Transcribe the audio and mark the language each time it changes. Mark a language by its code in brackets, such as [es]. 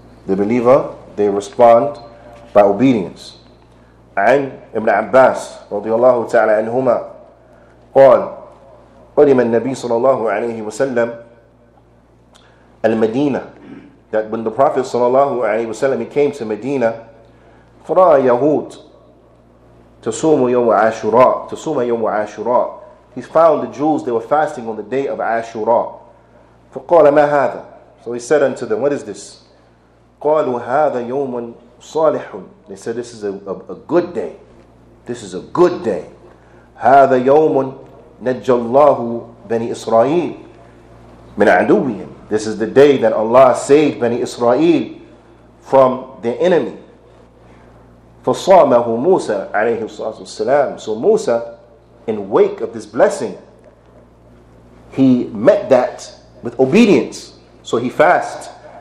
[en] The believer, they respond by obedience. [ar] عن ابن عباس رضي الله تعالى عنهما قال قدم النبي صلى الله عليه وسلم المدينة. [en] That when the Prophet [ar] صلى الله عليه وسلم, [en] he came to Medina, [ar] فرأى يهود تصوم يوم عاشوراء, [en] تصوم يوم عاشوراء, he found the Jews, they were fasting on the day of عاشوراء. [ar] فقال ما هذا. [en] So he said unto them, what is this? [ar] قالوا هذا يوم صالح. [en] They said, this is a good day. This is a good day. [ar] هذا يوم نجى الله بني إسرائيل من عدوهم. [en] This is the day that Allah saved بني إسرائيل from their enemy. [ar] فصامه موسى عليه الصلاة والسلام. [en] So Musa, in wake of this blessing, he met that with obedience. So he fasted.